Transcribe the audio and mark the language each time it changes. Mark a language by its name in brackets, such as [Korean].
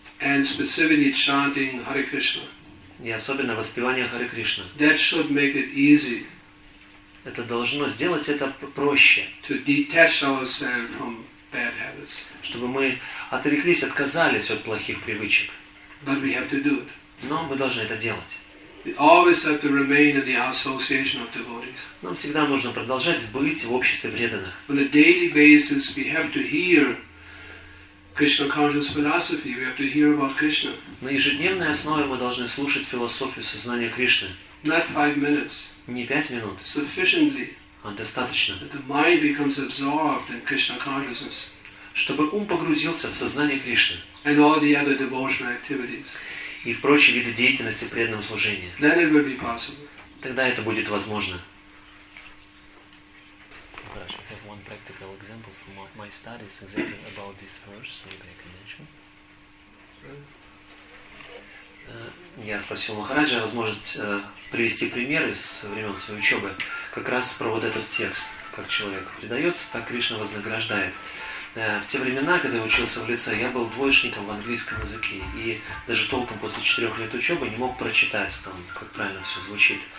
[English] And specifically chanting Hare Krishna. [Russian] И особенно воспевание Харе Кришна. [English] That should make it easy. [Russian] Это должно сделать это проще. [English] To detach ourselves from bad habits. [Russian] Чтобы мы отреклись, отказались от плохих привычек. [English] But we have to do it. [Russian] Но мы должны это делать. [English] We always have to remain in the association of devotees. [Russian] Нам всегда нужно продолжать быть в обществе преданных. [English] On a daily basis we have to hear Krishna conscious philosophy. We have to hear about Krishna. [Russian] На ежедневной основе мы должны слушать философию сознания Кришны. [English] Not 5 minutes. [Russian] Не 5 минут. [English] Sufficiently. [Russian] А достаточно. [English] That the mind becomes absorbed in Krishna consciousness. [Russian] Чтобы ум погрузился в сознание Кришны. [English] And all the other devotional activities. [Russian] И в прочие виды деятельности преданного служения. [English] Then it will be possible. [Russian] Тогда это будет возможно. Хорошо. [English] I have one practical example from my studies exactly about this verse. Maybe I can mention. [Russian] Я спросил Махараджа возможность привести пример из времен своей учебы, как раз про вот этот текст, как человек предается, так Кришна вознаграждает. В те времена, когда я учился в лице, я был двоечником в английском языке и даже толком после 4 лет учебы не мог прочитать там, как правильно все звучит.